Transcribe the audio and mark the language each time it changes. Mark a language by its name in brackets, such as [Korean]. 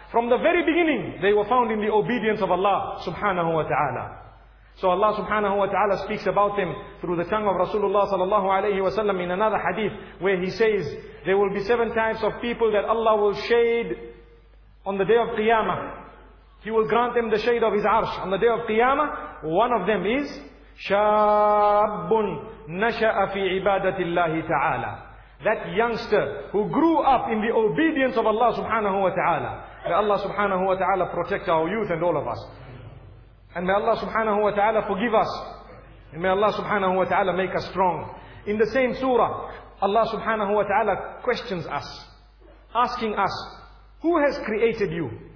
[English] From the very beginning, they were found in the obedience of Allah subhanahu wa ta'ala. So Allah subhanahu wa ta'ala speaks about them through the tongue of Rasulullah sallallahu alayhi wa sallam in another hadith where he says, there will be seven types of people that Allah will shade on the day of Qiyamah. He will grant them the shade of His arsh on the day of Qiyamah. One of them is, [Arabic] شَابٌ نَشَأَ فِي عِبَادَةِ اللَّهِ تَعَالَى. [English] That youngster who grew up in the obedience of Allah subhanahu wa ta'ala. May Allah subhanahu wa ta'ala protect our youth and all of us. And may Allah subhanahu wa ta'ala forgive us. And may Allah subhanahu wa ta'ala make us strong. In the same surah, Allah subhanahu wa ta'ala questions us, asking us, who has created you?